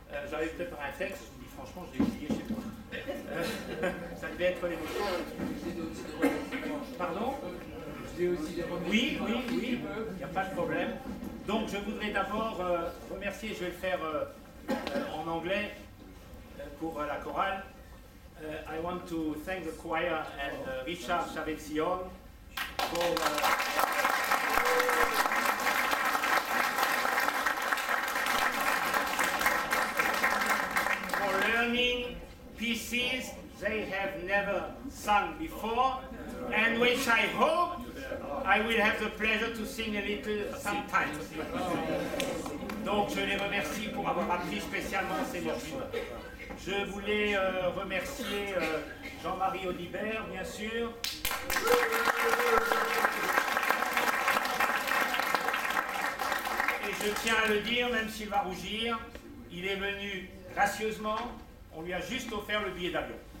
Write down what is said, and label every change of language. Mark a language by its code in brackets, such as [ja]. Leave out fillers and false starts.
[fr] J'avais préparé un texte, je vous dis franchement, je l'ai oublié chez moi. Ça devait être l'émotion. Pardon ? Oui, il n'y a pas de problème. Donc je voudrais d'abord remercier, je vais le faire en anglais pour la chorale. [en] I want to thank the choir and Richard Chavez-Sion for for learning pieces they have never sung before and which I hope I will have the pleasure to sing a little sometime. [fr] Donc je les remercie pour avoir appris spécialement ces morceaux. Je voulais remercier Jean-Marie Audibert, bien sûr. Et je tiens à le dire, même s'il va rougir, il est venu gracieusement, on lui a juste offert le billet d'avion.